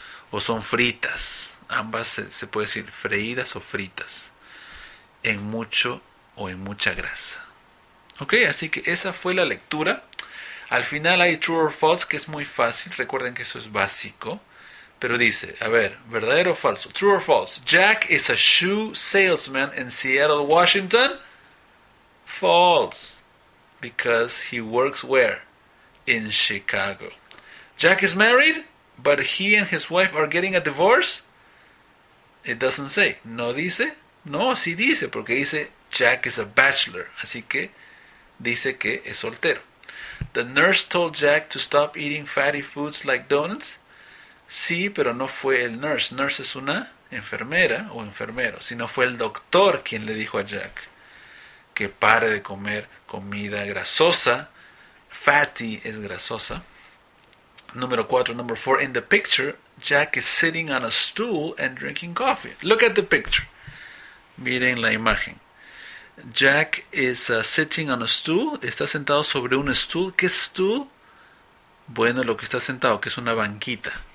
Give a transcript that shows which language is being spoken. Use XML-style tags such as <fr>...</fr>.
<es>O son fritas. Ambas se puede decir freídas o fritas. En mucho o en mucha grasa. ¿Ok? Así que esa fue la lectura. Al final hay</es> <en>true or false,</en> <es>que es muy fácil. Recuerden que eso es básico. Pero dice, a ver, ¿verdadero o falso?</es> <en>True or false. Jack is a shoe salesman in Seattle, Washington. False, because he works where? In Chicago. Jack is married, but he and his wife are getting a divorce. It doesn't say.</en> <es>No dice. No, sí dice, porque dice</es> <en>Jack is a bachelor.</en> <es>Así que dice que es soltero.</es> <en>The nurse told Jack to stop eating fatty foods like donuts.</en> <es>Sí, pero no fue el nurse. Nurse es una enfermera o enfermero. Sino fue el doctor quien le dijo a Jack que pare de comer comida grasosa. Fatty es grasosa. Número 4, number 4.</es> <en>In the picture, Jack is sitting on a stool and drinking coffee. Look at the picture.</en> <es>Miren la imagen.</es> <en>Jack is sitting on a stool.</en> <es>Está sentado sobre un stool. ¿Qué stool? Bueno, lo que está sentado, que es una banquita.</es>